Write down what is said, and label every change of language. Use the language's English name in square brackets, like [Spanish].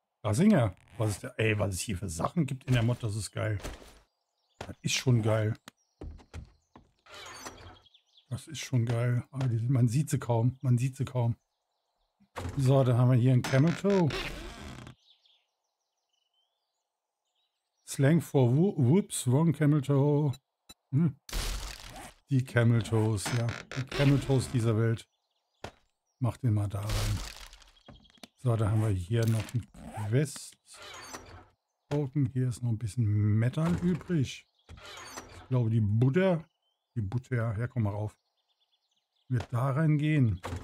[German] Singer, was ist der? Ey, was es hier für Sachen gibt in der Mod, das ist geil. Das ist schon geil. Das ist schon geil. Aber die, man sieht sie kaum. Man sieht sie kaum. So, dann haben wir hier ein Camel Toe. [English] Slang for whoops, wrong Camel Toe. [German] Hm. Die Camel Toes, ja. Die Camel Toes dieser Welt. Mach den mal da rein. So, da haben wir hier noch ein Quest. Token. Hier ist noch ein bisschen Metall übrig. Ich glaube, die Butter. Die Butter, ja, komm mal rauf. Wird da reingehen.